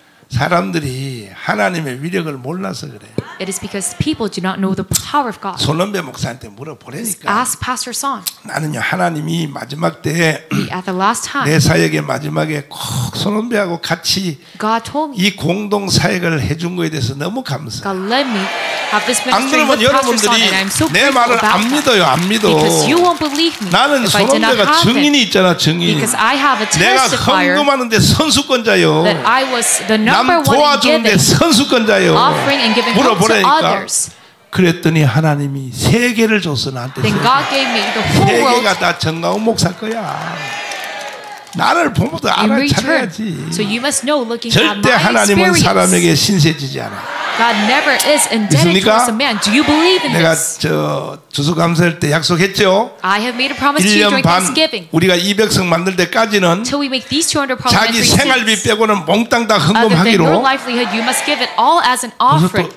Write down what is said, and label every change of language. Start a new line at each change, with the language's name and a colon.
Korean: 사람들이 하나님의 위력을 몰라서 그래.
English: It is because people do not know the power of God.
Korean: 솔롬베 목사한테 물어보라니까.
English: Ask Pastor Song.
Korean: 나는요 하나님이 마지막 때
English: at the last time
Korean: 내 사역의 마지막에 꼭 솔롬베하고 같이
English: God told me
Korean: 이 공동 사역을 해준 거에 대해서 너무 감사.
English: God led me have this ministry.
Korean: 안 그러면 여러분들이 내 말을 안 믿어요, 안 믿어.
English: Because you won't believe me.
Korean: 나는 솔롬베가 증인이 있잖아, 증인.
English: Because I have a testifier.
Korean: 내가 헌금하는데 선수권자요.
English: That I was the number one.
Korean: 남 도와주는데 선수권자요.
English: Offering and giving.
Korean: 보라니까 그랬더니 하나님이 세 개를 줬어 나한테.
English: Then God gave me the whole world.
Korean: 세 개가 다 정강욱 목사 거야. 나를 보면도 알아차려야지.
English: So you must know, looking at my experience.
Korean: 절대 하나님은 사람에게 신세지지 않아.
English: God never is indebted to a man. Do you believe in this?
Korean: 내가 저 주석 감사할 때 약속했죠.
English: I have made a promise to you during Thanksgiving.
Korean: 우리가 200석 만들 때까지는
English: till we make these 200 promises.
Korean: 자기 생활비 빼고는 몽땅 다 헌금하기로.
English: Other than your livelihood, you must give it all as an offering.